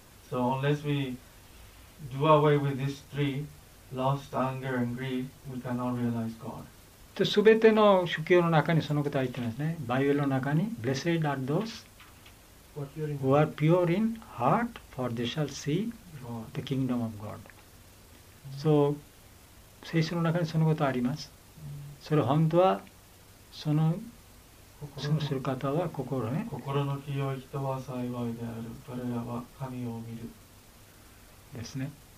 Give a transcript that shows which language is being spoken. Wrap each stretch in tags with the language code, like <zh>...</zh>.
<en>So unless we do away with these three, lust, anger, and greed, we cannot realize God.</en> <ja>で、全ての宗教の中にそのことが入ってますね。バイブルの中に、</ja> <en>Blessed are those who are pure in heart, for they shall see the kingdom of God.</en> <ja>So, 聖書の中にそのことがあります。それ本当は、その、そのする方は心ね。心の清い人は幸いである。彼らは神を見る。ですね。</ja>